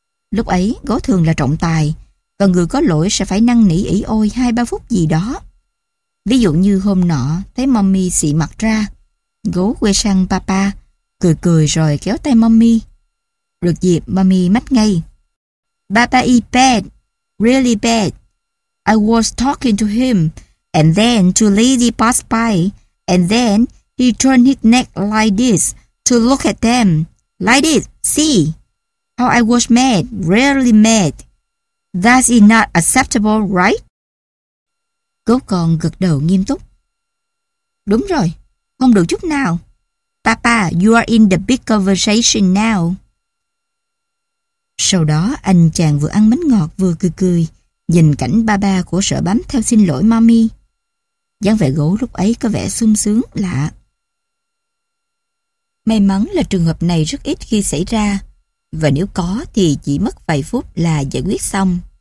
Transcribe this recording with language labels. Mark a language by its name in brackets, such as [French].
[Vietnamese] Lúc ấy gấu thường là trọng tài và người có lỗi sẽ phải năn nỉ ỉ ôi 2-3 phút gì đó. Ví dụ như hôm nọ thấy Mommy xị mặt ra, gấu quay sang papa cười cười rồi kéo tay Mommy. Được dịp, Mommy mách ngay. [English] Papa is bad, really bad. I was talking to him, and then two lady passed by, and then he turned his neck like this to look at them. Like this, see? How I was mad, really mad. That is not acceptable, right? [Vietnamese] Gấu còn gật đầu nghiêm túc. Đúng rồi, không được chút nào. [English] Papa, you are in the big conversation now. [Vietnamese] Sau đó, anh chàng vừa ăn bánh ngọt vừa cười cười, nhìn cảnh ba ba của sợ bám theo xin lỗi mommy. Dáng vẻ gấu lúc ấy có vẻ sung sướng, lạ. May mắn là trường hợp này rất ít khi xảy ra, và nếu có thì chỉ mất vài phút là giải quyết xong.